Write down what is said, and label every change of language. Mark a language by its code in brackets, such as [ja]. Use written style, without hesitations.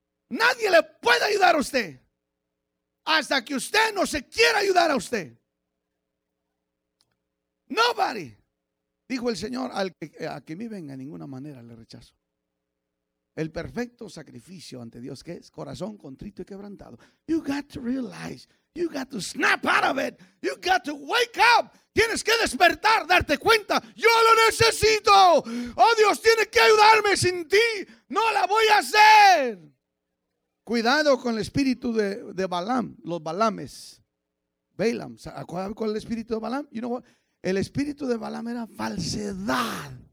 [es] Nadie le puede ayudar a usted. Hasta que usted no se quiera ayudar a usted. [en] Nobody, [es] dijo el Señor, a que me venga, de ninguna manera le rechazo. El perfecto sacrificio ante Dios, que es corazón contrito y quebrantado. [en] You got to realize, you got to snap out of it, you got to wake up. [es] Tienes que despertar, darte cuenta, yo lo necesito. Oh, Dios tiene que ayudarme, sin ti no la voy a hacer. Cuidado con el espíritu de Balaam, los Balames. Balaam, ¿cuál es el espíritu de Balaam? [en] You know what? [es] El espíritu de Balaam era falsedad.